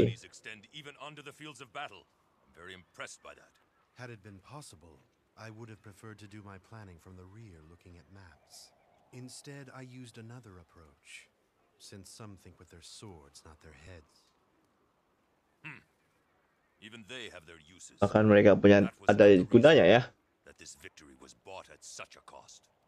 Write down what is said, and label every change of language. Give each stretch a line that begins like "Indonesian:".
English: Abilities extend even onto the fields of battle. I'm very impressed by that. Had it been possible, I would have preferred to do my planning from the rear looking at maps. Instead, I used another approach. Since some think with their swords, not their heads. Hmm. Even they have their uses.
Indonesian: Bahkan mereka punya ada gunanya ya.
English: That this victory was bought at such a cost.